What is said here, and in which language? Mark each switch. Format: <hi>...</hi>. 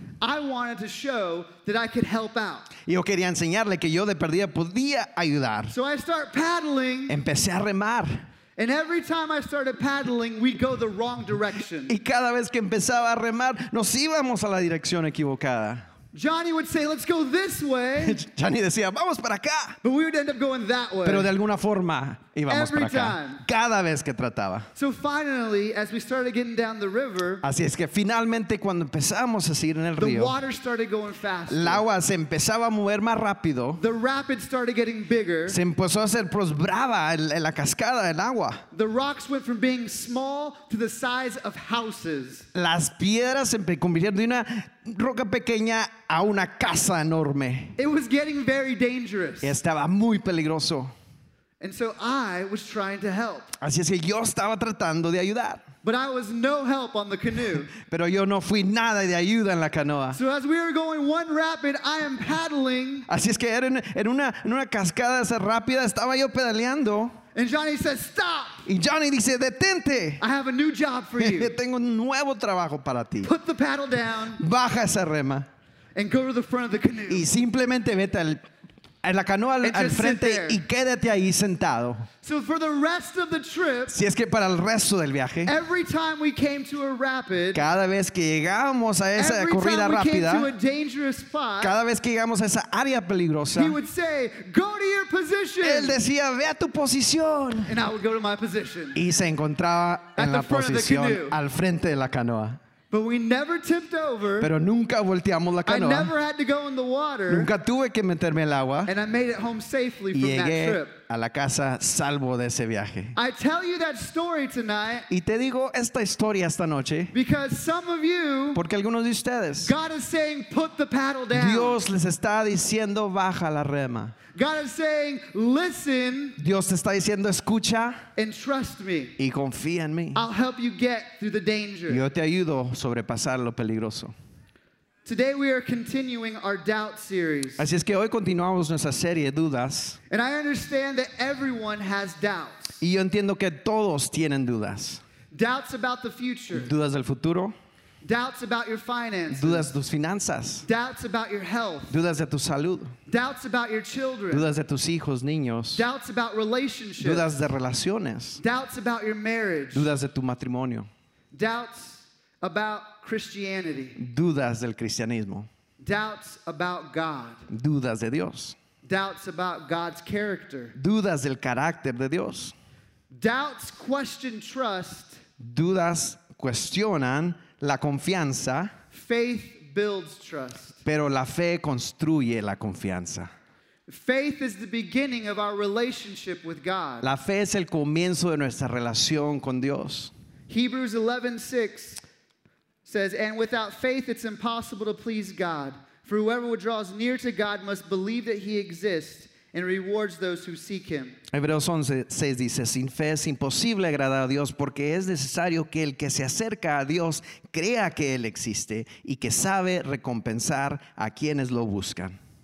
<en>I wanted to show that I could help out.</en> <es>Yo quería enseñarle que yo de perdida podía ayudar.</es> <en>So I start paddling.</en> <es>Empecé a remar.</es> <en>And every time I started paddling, we go the wrong direction.</en> <es>Y cada vez que empezaba a remar, nos íbamos a la dirección equivocada.</es> <en>Johnny would say, "Let's go this way."</en> <es>Johnny decía, "Vamos para acá."</es> <en>But we would end up going that way.</en> <es>Pero de alguna forma íbamos</es> <en>every</en> <es>para</es> <en>time.</en> <es>Acá. Cada vez que trataba.</es> <en>So finally, as we started getting down the river,</en> <es>así es que finalmente cuando empezamos a seguir en el</es> <en>the</en> <es>río,</es> <en>the water started going faster.</en> <es>El agua se empezaba a mover más rápido.</es> <en>The rapid started getting bigger.</en> <es>Se empezó a hacer pues brava la cascada del agua.</es> <en>The rocks went from being small to the size of houses.</en> <es>Las piedras se convirtieron de una roca pequeña a una casa enorme.</es> <en>It was getting very dangerous.</en> <es>Estaba muy peligroso.</es> <en>And so I was trying to help.</en> <es>Así es que yo estaba tratando de ayudar.</es> <en>But I was no help on the canoe.</en> <es>Pero yo no fui nada de ayuda en la canoa.</es> <en>So as we were going one rapid, I am paddling.</en> <es>Así es que era en una cascada esa rápida, estaba yo pedaleando.</es> <en>And Johnny says, "Stop."</en> <es>Y Johnny dice, "Detente."</es> <en>I have a new job for you.</en> <es>Tengo un nuevo trabajo para ti.</es> <en>Put the paddle down.</en> <es>Baja esa rema.</es> <en>And go to the front of the canoe.</en> <es>Y simplemente vete en la canoa al frente y quédate ahí sentado.</es> <en>So for the rest of the trip,</en> <es>si es que para el resto del viaje,</es> <en>every time we came to a rapid,</en> <es>cada vez que llegamos a esa corrida rápida,</es> <en>every time we came to a dangerous spot,</en> <es>cada vez que llegamos a esa área peligrosa,</es> <en>he would say, "Go to your position."</en> <es>Él decía, "Ve a tu posición."</es> <en>And I would go to my position.</en> <es>Y se encontraba en la posición al frente de la canoa.</es> <en>But we never tipped over.</en> <es>Pero nunca volteamos la canoa.</es> <en>I never had to go in the water.</en> <es>Nunca tuve que meterme al agua.</es> <en>And I made it home safely from</en> <es>llegué</es> <en>that trip.</en> <es>a la casa salvo de ese viaje.</es> <en>I tell you that story tonight.</en> <es>Y te digo esta historia esta noche.</es> <en>Because some of you,</en> <es>porque algunos de ustedes,</es> <en>God is saying, put the paddle down.</en> <es>Dios les está diciendo baja la rema.</es> <en>God is saying, listen.</en> <es>Dios te está diciendo escucha.</es> <en>And trust me.</en> <es>Y confía en mí.</es> <en>I'll help you get through the danger.</en> <es>Yo te ayudo a sobrepasar lo peligroso.</es> <en>Today we are continuing our doubt series.</en> <es>Así es que hoy continuamos nuestra serie dudas.</es> <en>And I understand that everyone has doubts.</en> <es>Y yo entiendo que todos tienen dudas.</es> <en>Doubts about the future.</en> <es>Dudas del futuro.</es> <en>Doubts about your finances.</en> <es>Dudas de tus finanzas.</es> <en>Doubts about your health.</en> <es>Dudas de tu salud.</es> <en>Doubts about your children.</en> <es>Dudas de tus hijos, niños.</es> <en>Doubts about relationships.</en> <es>Dudas de relaciones.</es> <en>Doubts about your marriage.</en> <es>Dudas de tu matrimonio.</es> <en>Doubts about Christianity.</en> <es>Dudas del cristianismo.</es> <en>Doubts about God.</en> <es>Dudas de Dios.</es> <en>Doubts about God's character.</en> <es>Dudas del carácter de Dios.</es> <en>Doubts question trust.</en> <es>Dudas cuestionan la confianza.</es> <en>Faith builds trust.</en> <es>Pero la fe construye la confianza.</es> <en>Faith is the beginning of our relationship with God.</en> <es>La fe es el comienzo de nuestra relación con Dios.</es> <en>Hebrews 11:6 says, and without faith it's impossible to please God, for whoever draws near to God must believe that he exists and rewards those who seek him.</en> <es>Hebreos 11:6 dice, sin fe es imposible agradar a Dios, porque es necesario que el que se acerca a Dios crea que él existe y que sabe recompensar a quienes lo buscan.</es>